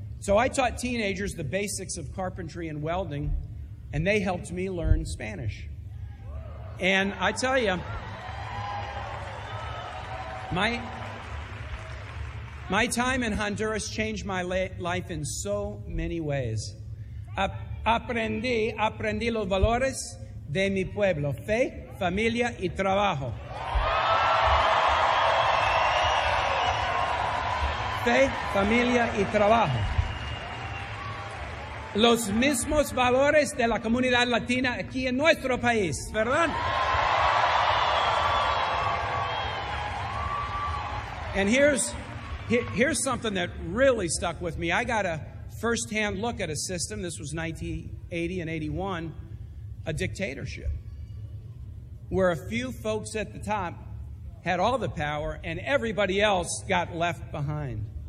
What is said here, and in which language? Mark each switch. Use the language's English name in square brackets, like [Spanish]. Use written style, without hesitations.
[English] So I taught teenagers the basics of carpentry and welding, and they helped me learn Spanish. And I tell you, my time in Honduras changed my life in so many ways. [Spanish] Aprendí los valores de mi pueblo, fe, familia y trabajo. Fe, familia y trabajo. Los mismos valores de la comunidad latina aquí en nuestro país, ¿verdad? [English] And here's something that really stuck with me. I got a first-hand look at a system. This was 1980 and 81, a dictatorship, where a few folks at the top had all the power and everybody else got left behind.